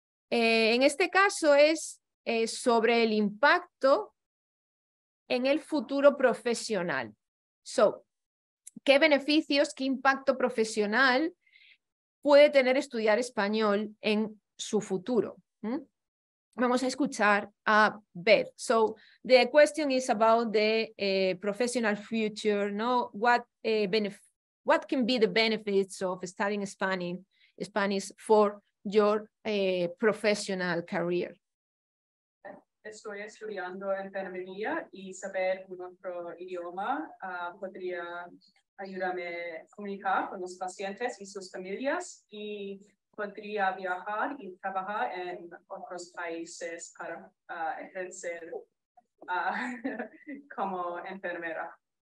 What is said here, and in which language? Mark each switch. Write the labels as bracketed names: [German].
[Spanish] En este caso es sobre el impacto en el futuro profesional. So, ¿qué beneficios, qué impacto profesional puede tener estudiar español en su futuro? Vamos a escuchar a Beth. [English] So, the question is about the professional future, ¿no? What can be the benefits of studying Spanish for your professional career? [Spanish] Estoy estudiando enfermería y saber nuestro idioma podría ayudarme a comunicar con los pacientes y sus familias y podría viajar y trabajar en otros países para ejercer como enfermera.